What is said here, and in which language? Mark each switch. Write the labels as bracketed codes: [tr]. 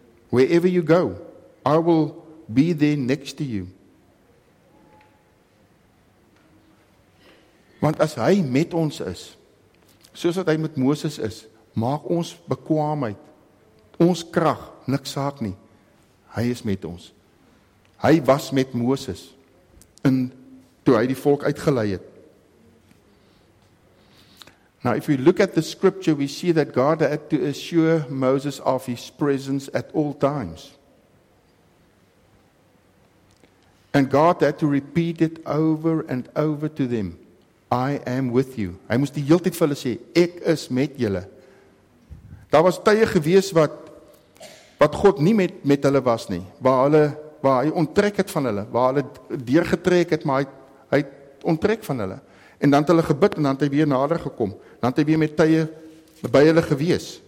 [en] Wherever you go, I will be there next to you. [af] Want as hy met ons is, soos wat hy met Moses is, maak ons bekwaamheid, ons krag, niks saak nie. Hy is met ons. Hy was met Moses, en toe hy die volk uitgelei het. [en] Now, if we look at the scripture, we see that God had to assure Moses of his presence at all times. And God had to repeat it over and over to them. I am with you. [af] Hy moes die heeltyd vir hulle sê, ek is met julle. Daar was tye gewees wat God nie met hulle was nie. Waar hy onttrek het van hulle. Waar hulle deurgetrek het, maar hy onttrek van hulle. En dan het hulle gebid en dan het hy weer nader gekom. Dan het hy weer met tye by hulle gewees.